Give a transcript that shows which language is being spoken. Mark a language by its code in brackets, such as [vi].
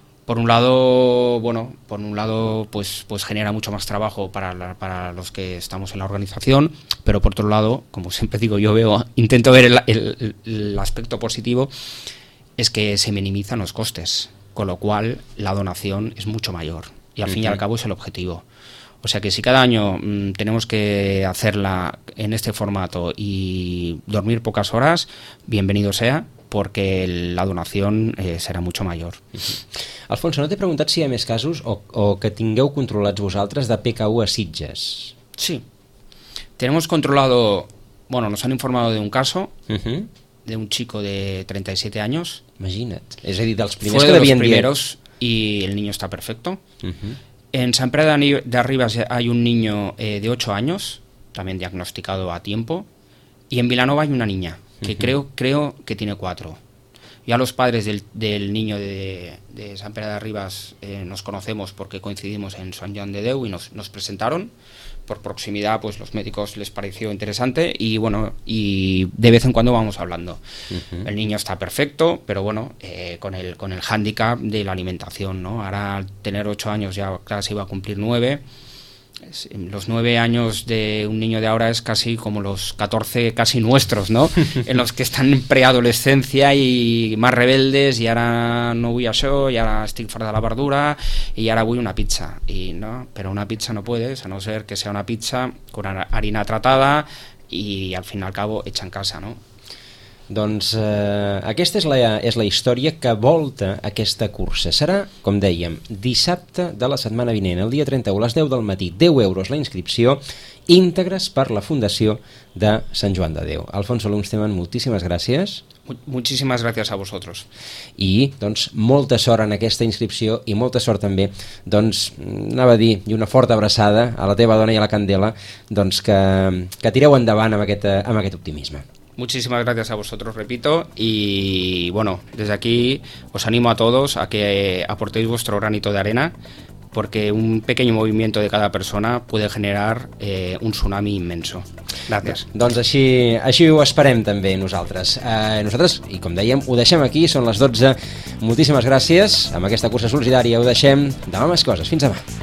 [es] Por un lado, bueno, por un lado, pues genera mucho más trabajo para los que estamos en la organización, pero por otro lado, como siempre digo, yo intento ver el aspecto positivo, es que se minimizan los costes, con lo cual la donación es mucho mayor, y al fin y al cabo es el objetivo. O sea que si cada año tenemos que hacerla en este formato y dormir pocas horas, bienvenido sea, porque la donación serà mucho mayor. [ca] Alfonso, no t'he preguntat si hi ha més casos o que tingueu controlats vosaltres de PKU a Sitges. [es] Sí, tenemos controlado, bueno, nos han informado de un caso, uh-huh. de un chico de 37 años. [ca] Imagina't, és a dir, dels primers que l'havien dit. [es] I el niño está perfecto. Uh-huh. En Sant Pere de Ribes hay un niño de 8 años, también diagnosticado a tiempo, y en Vilanova hay una niña, que uh-huh. creo que tiene 4. Ya los padres del niño de Sant Pere de Ribes nos conocemos porque coincidimos en Sant Joan de Déu y nos presentaron por proximidad, pues los médicos les pareció interesante y bueno, y de vez en cuando vamos hablando. Uh-huh. El niño está perfecto, pero bueno, con el hándicap de la alimentación, ¿no? Ahora al tener 8 años ya casi iba a cumplir 9. Los 9 años de un niño de ahora es casi como los 14 casi nuestros, ¿no? En los que están en preadolescencia y más rebeldes, y ahora no voy a show, y ahora estoy fuera de la verdura, y ahora voy a una pizza. Y no, pero una pizza no puedes, a no ser que sea una pizza con harina tratada y al fin y al cabo hecha en casa, ¿no? [ca] Doncs aquesta és la història que volta aquesta cursa. Serà, com dèiem, dissabte de la setmana vinent, el dia 31, a les 10 del matí, 10 euros la inscripció, íntegres per la Fundació de Sant Joan de Déu. Alfonso Lumsteman, moltíssimes gràcies. Moltíssimes gràcies a vosaltres. I doncs molta sort en aquesta inscripció i molta sort també, doncs anava a dir, i una forta abraçada a la teva dona i a la Candela, doncs que tireu endavant amb aquest optimisme. [es] Muchísimas gracias a vosotros, repito, y bueno, desde aquí os animo a todos a que aportéis vuestro granito de arena, porque un pequeño movimiento de cada persona puede generar un tsunami inmenso. Gracias. [ca] Doncs així, així ho esperem també nosaltres. Nosaltres, i com dèiem, ho deixem aquí, són les 12. Moltíssimes gràcies. Amb aquesta cursa solidària ho deixem. Demà més coses. Fins demà.